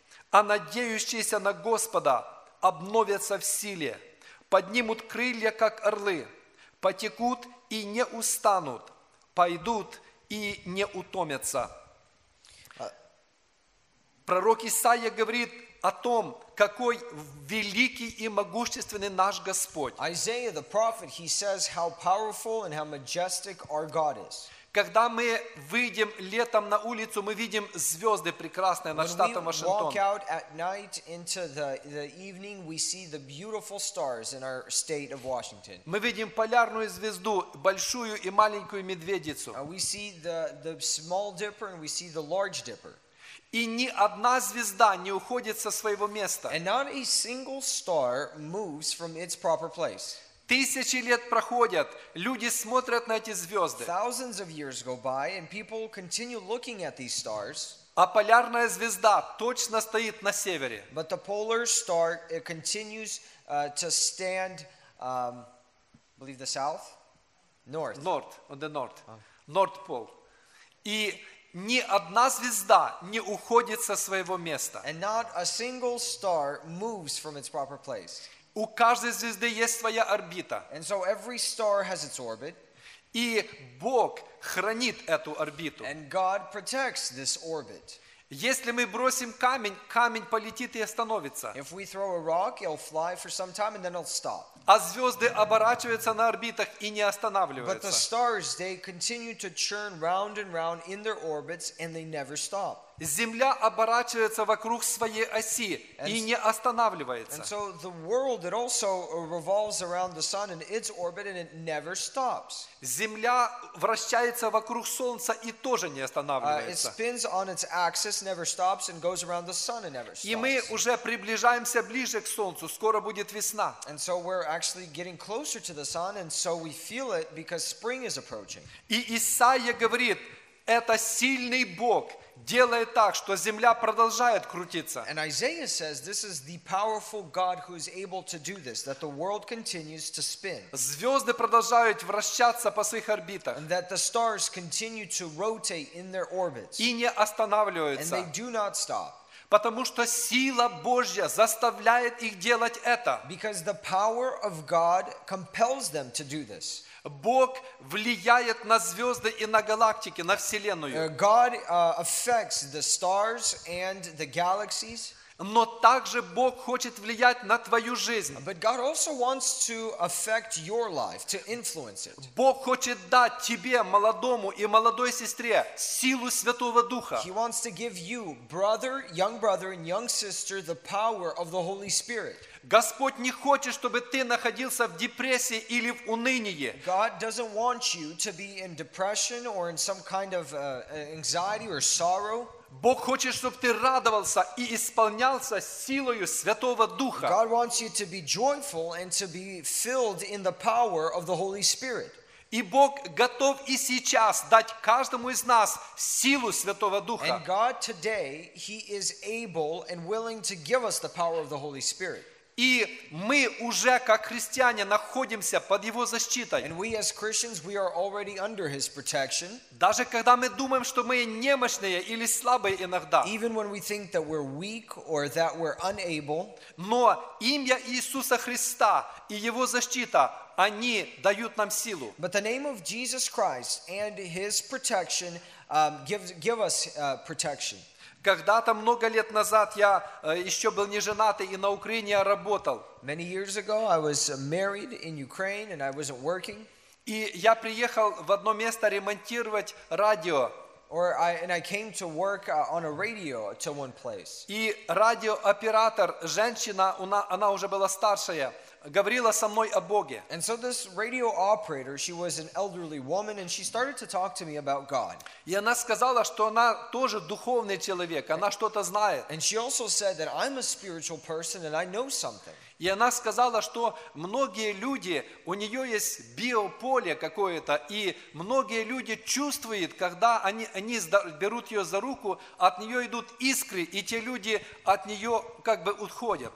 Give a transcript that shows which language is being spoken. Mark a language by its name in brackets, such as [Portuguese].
[Russian] А надеющиеся на Господа обновятся в силе, поднимут крылья, как орлы, потекут и не устанут, пойдут и не утомятся. Пророк Исаия говорит о том, какой великий и могущественный наш Господь. [English] Isaiah the prophet, he says how powerful and how majestic our God is. [Russian] Когда мы выйдем летом на улицу, мы видим звезды прекрасные над штатом Вашингтон. [English] When we walk out at night into the evening, we see the beautiful stars in our state of Washington. [Russian] Мы видим полярную звезду, большую и маленькую медведицу. [English] We see the small dipper and we see the large dipper. [Russian] И ни одна звезда не уходит со своего места. [English] And not a single star moves from its proper place. [Russian] Тысячи лет проходят, люди смотрят на эти звезды. [English] Thousands of years go by and people continue looking at these stars. [Russian] А полярная звезда точно стоит на севере. [English] But the polar star it continues to stand, I believe the south, north. North, on the north, North Pole. [Russian] И ни одна звезда не уходит со своего места. [English] And not a single star moves from its proper place. [Russian] У каждой звезды есть своя орбита. [English] And so every star has its orbit. [Russian] И Бог хранит эту орбиту. [English] And God protects this orbit. [Russian] Если мы бросим камень, камень полетит и остановится. [English] If we throw a rock, it'll fly for some time and then it'll stop. [Russian] А звезды оборачиваются на орбитах и не останавливаются. [English] But the stars, they continue to churn round and round in their orbits and they never stop. [Russian] Земля оборачивается вокруг своей оси и не останавливается. [English] And so the world, it also revolves around the sun in its orbit and it never stops. [Russian] Земля вращается вокруг Солнца и тоже не останавливается. [English] It spins on its axis, never stops, and goes around the sun and never stops. [Russian] И мы уже приближаемся ближе к Солнцу, скоро будет весна. [English] And so we're actually getting closer to the sun, and so we feel it because spring is approaching. [Russian] И Исаия говорит, это сильный Бог. Делает так, что земля продолжает крутиться. [English] And Isaiah says, this is the powerful God who is able to do this, that the world continues to spin. [Russian] Звезды продолжают вращаться по своих орбитах. [English] And that the stars continue to rotate in their orbits. [Russian] И не останавливаются. [English] And they do not stop. [Russian] Потому что сила Божья заставляет их делать это. [English] Because the power of God compels them to do this. [Russian] Бог влияет на звезды и на галактики, на Вселенную. [English] God affects the stars and the galaxies. [Russian] Но также Бог хочет влиять на твою жизнь. [English] But God also wants to affect your life, to influence it. [Russian] Бог хочет дать тебе, молодому и молодой сестре, силу Святого Духа. [English] He wants to give you, brother, young brother and young sister, the power of the Holy Spirit. [Russian] Господь не хочет, чтобы ты находился в депрессии или в унынии. [English] God doesn't want you to be in depression or in some kind of anxiety or sorrow. [Russian] Бог хочет, чтобы ты радовался и исполнялся силою Святого Духа. [English] God wants you to be joyful and to be filled in the power of the Holy Spirit. [Russian] И Бог готов и сейчас дать каждому из нас силу Святого Духа. [English] And God today, He is able and willing to give us the power of the Holy Spirit. [Russian] И мы уже как христиане находимся под его защитой. [English] And we as Christians, we are already under his protection. [Russian] Даже когда мы думаем, что мы немощные или слабые иногда. [English] Even when we think that we're weak or that we're unable. [Russian] Но имя Иисуса Христа и его защита, они дают нам силу. [English] But the name of Jesus Christ and his protection give us protection. [Russian] Когда-то много лет назад я еще был не женатый и на Украине я работал. [English] Many years ago I was married in Ukraine and I wasn't working. [Russian] И я приехал в одно место ремонтировать радио. [English] And I came to work on a radio to one place. [Russian] И радиооператор, женщина, она уже была старшая, говорила со мной о Боге. [English] And so this radio operator, she was an elderly woman, and she started to talk to me about God. [Russian] И она сказала, что она тоже духовный человек, она что-то знает. [English] And she also said that I'm a spiritual person and I know something. [Russian] И она сказала, что многие люди, у нее есть биополе какое-то, и многие люди чувствуют, когда они берут ее за руку, от нее идут искры, и те люди от нее как бы уходят.